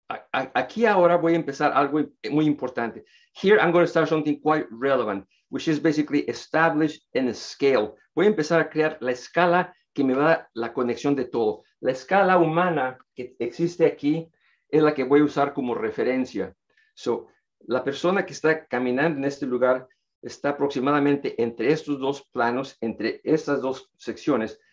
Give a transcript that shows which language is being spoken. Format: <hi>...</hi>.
<es>Aquí ahora voy a empezar algo muy importante.</es> <en>Here I'm going to start something quite relevant, which is basically establish and scale.</en> <es>Voy a empezar a crear la escala que me va a dar la conexión de todo. La escala humana que existe aquí es la que voy a usar como referencia. So, la persona que está caminando en este lugar está aproximadamente entre estos dos planos, entre estas dos secciones.</es>